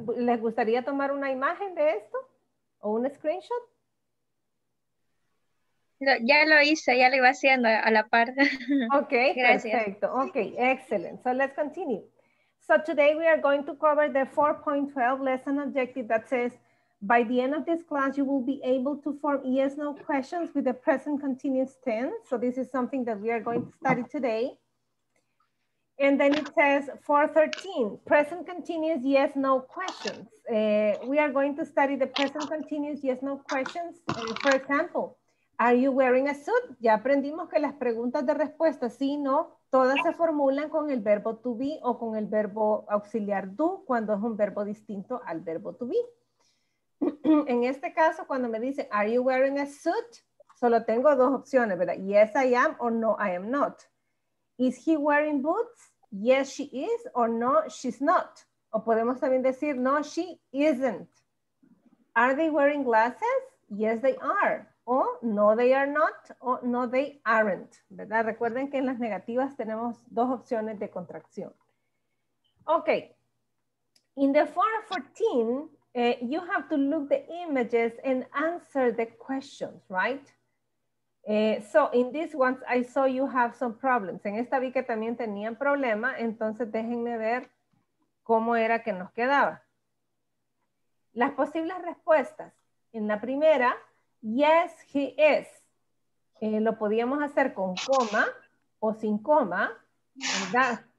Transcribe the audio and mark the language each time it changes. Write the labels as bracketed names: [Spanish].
[Spanish] ¿Les gustaría tomar una imagen de esto? ¿O un screenshot? Ya lo hice, ya lo iba haciendo a la par. [English] Ok, [Spanish] perfecto. [English] Ok, excellent. So let's continue. So today we are going to cover the 4.12 lesson objective that says, by the end of this class, you will be able to form yes, no questions with the present continuous tense. So this is something that we are going to study today. And then it says 4.13, present continuous yes, no questions. We are going to study the present continuous yes, no questions. For example, are you wearing a suit? [Spanish] Ya aprendimos que las preguntas de respuesta, sí, no, todas se formulan con el verbo to be o con el verbo auxiliar do cuando es un verbo distinto al verbo to be. En este caso, cuando me dice, [English] are you wearing a suit? [Spanish] Solo tengo dos opciones, ¿verdad? [English] Yes, I am, or no, I am not. Is he wearing boots? Yes, she is, or no, she's not. [Spanish] O podemos también decir, [English] no, she isn't. Are they wearing glasses? Yes, they are. O no, they are not, o no, they aren't. [Spanish] ¿Verdad? Recuerden que en las negativas tenemos dos opciones de contracción. Ok. [English] In the 4.14, you have to look the images and answer the questions, right? So in this one, I saw you have some problems. [Spanish] En esta vi que también tenían problema, entonces déjenme ver cómo era que nos quedaba. Las posibles respuestas. En la primera, [English] yes, he is. [Spanish] Lo podíamos hacer con coma o sin coma, ¿verdad?